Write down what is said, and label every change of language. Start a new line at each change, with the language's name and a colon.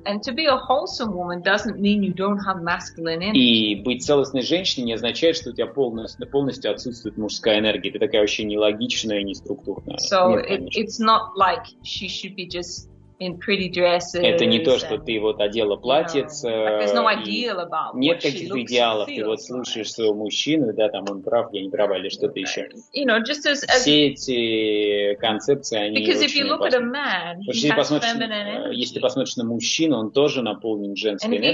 Russian: И быть целостной женщиной не означает, что у тебя полностью отсутствует мужская энергия. Ты такая вообще нелогичная и неструктурная.
English: So it's not like she should be just in pretty dresses.
Russian: Это не то, что ты вот одела платьице.
English: There's no ideal about what she looks like.
Russian: Нет таких идеалов. Ты вот слушаешь своего мужчину, да, там он прав, я не права, или что-то еще.
English: You know, just as
Russian: все эти концепции, они очень опасны.
English: Because if you look at a man, he has feminine energy.
Russian: Если ты посмотришь на мужчину, он тоже наполнен женской энергией.